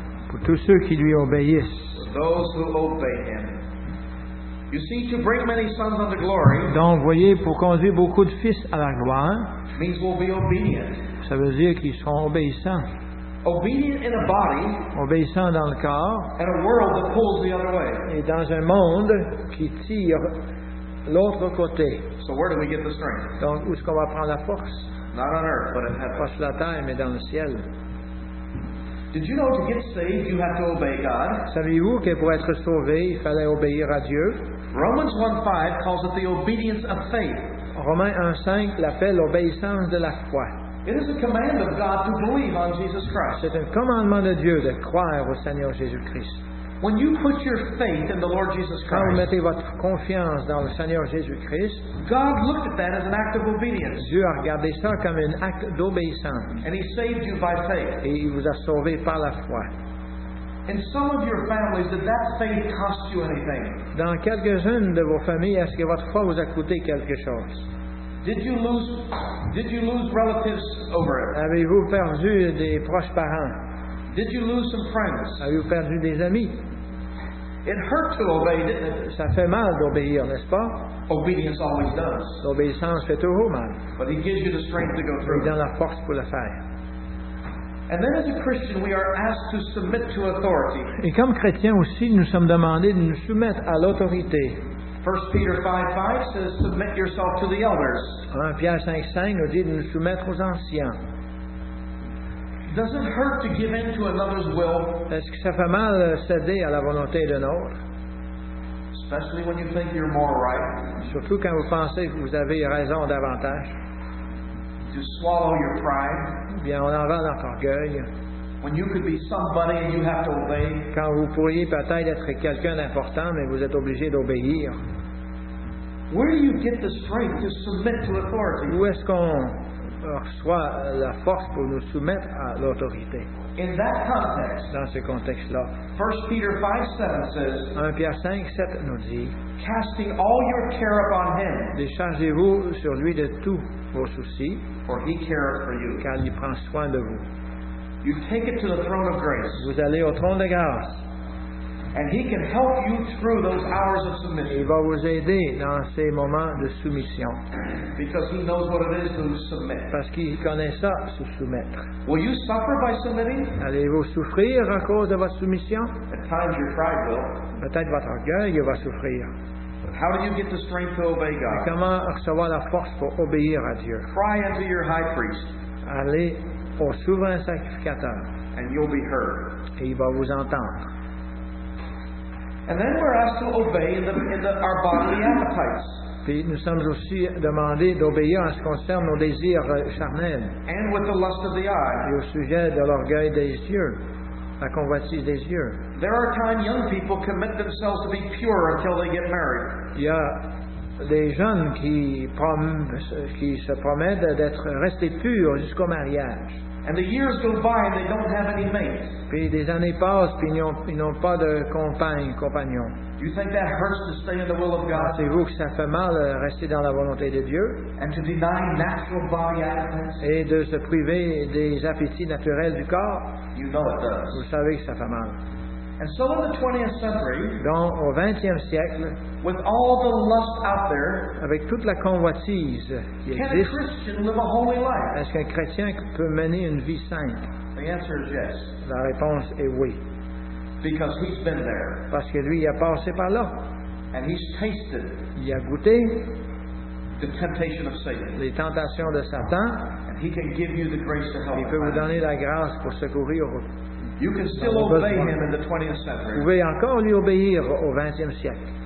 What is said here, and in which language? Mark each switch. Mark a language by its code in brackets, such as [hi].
[fr] Pour tous ceux qui lui obéissent. [en] You see, to bring many sons unto glory. [fr] Donc, voyez, pour conduire beaucoup de fils à la gloire. [en] Means we'll be obedient. [fr] Ça veut dire qu'ils seront obéissants. [en] Obedient in a body. [fr] Obéissant dans le corps. [en] And a world that pulls the other way. [fr] Et dans un monde qui tire l'autre côté. [en] So where do we get the strength? [fr] Donc où est-ce qu'on va prendre la force? [en] Not on earth, but in heaven. [fr] Pas sur la terre, mais dans le ciel. [en] Did you know to get saved you have to obey God? [fr] Saviez-vous que pour être sauvé il fallait obéir à Dieu? [en] Romans 1:5 calls it the obedience of faith. [fr] Romains 1:5 l'appelle l'obéissance de la foi. [en] It is a command of God to believe on Jesus Christ. [fr] C'est un commandement de Dieu de croire au Seigneur Jésus Christ. [en] When you put your faith in the Lord Jesus Christ, [fr] quand vous mettez votre confiance dans le Seigneur Jésus Christ, [en] God looked at that as an act of obedience. [fr] Dieu a regardé ça comme un acte d'obéissance. [en] And he saved you by faith. [fr] Et il vous a sauvé par la foi. [en] In some of your families, did that faith cost you anything? [fr] Dans quelques-unes de vos familles, est-ce que votre foi vous a coûté quelque chose? [en] Did you lose relatives over it? [fr] Avez-vous perdu des proches parents? [en] Did you lose some friends? [fr] Avez-vous perdu des amis? [en] It hurt to obey, didn't it? [fr] Ça fait mal d'obéir, n'est-ce pas? [en] Obedience always does. [fr] L'obéissance fait toujours mal. [en] But he gives you the strength to go through. [fr] Il donne la force pour le faire. [en] And then as a Christian, we are asked to submit to authority. [fr] Et comme chrétiens aussi, nous sommes demandés de nous soumettre à l'autorité. [en] 1 Peter 5:5 says, submit yourself to the elders. [fr] 1 Pierre 5:5 nous dit de nous soumettre aux anciens. [en] Does it hurt to give in to another's will? [fr] Est-ce que ça fait mal céder à la volonté d'un autre? [en] Especially when you think you're more right. [fr] Surtout quand vous pensez que vous avez raison davantage. [en] To swallow your pride. [fr] Bien, on avale notre orgueil. [en] When you could be somebody and you have to obey. [fr] Quand vous pourriez peut-être être quelqu'un d'important, mais vous êtes obligé d'obéir. [en] Where do you get the strength to submit to authority? [fr] Où est-ce qu'on reçoit la force pour nous soumettre à l'autorité? [en] In that context, [fr] dans ce contexte-là, [en] 1 Peter 5:7 says, [fr] 1 Pierre 5, 7 nous dit, [en] casting all your care upon him. [fr] Déchargez-vous sur lui de tous vos soucis. [en] For he cares for you. [fr] Car il prend soin de vous. [en] You take it to the throne of grace. [fr] Vous allez au trône de grâce. [en] And he can help you through those hours of submission. [fr] Il va vous aider dans ces moments de soumission. [en] Because he knows what it is to submit. [fr] Parce qu'il connaît ça, se soumettre. [en] Will you suffer by submitting? [fr] Allez-vous souffrir à cause de votre soumission? [en] At times your pride will. [fr] Peut-être votre orgueil va souffrir. [en] How do you get the strength to obey God? [fr] Mais comment recevoir la force pour obéir à Dieu? [en] Cry unto your high priest. [fr] Allez au souverain sacrificateur. [en] And you'll be heard. [fr] Et il va vous entendre. [en] And then we're asked to obey our bodily appetites. [fr] Puis nous sommes aussi demandés d'obéir en ce qui concerne nos désirs charnels. [en] And with the lust of the eye. [fr] Et au sujet de l'orgueil des yeux, la convoitise des yeux. [en] There are times young people commit themselves to be pure until they get married. [fr] Il y a des jeunes qui se promettent d'être restés purs jusqu'au mariage. [en] And the years go by and they don't have any mates. [fr] Puis des années passent puis ils n'ont pas de compagnon. [en] You think that hurts to stay in the will of God? [fr] Pensez-vous que ça fait mal de rester dans la volonté de Dieu? [en] And to deny natural body appetites? [fr] Et de se priver des appétits naturels du corps? [en] You know it does. [fr] Vous savez que ça fait mal. [en] And so in the 20th century, [fr] dans au 20e siècle, [en] with all the lust out there, [fr] avec toute la convoitise qui [en] can [fr] existe, [en] a Christian live a holy life? [fr] Est-ce qu'un chrétien peut mener une vie sainte? [en] The answer is yes. [fr] La réponse est oui. [en] Because he's been there. [fr] Parce que lui, il a passé par là. [en] And he's tasted. [fr] Il a goûté [en] the temptation of Satan. [fr] Les tentations de Satan. [en] And he can give you the grace to help. [fr] Il peut vous donner la grâce pour secourir. [en] You can still obey him in the 20th century. [fr] Vous pouvez encore lui obéir au 20e siècle.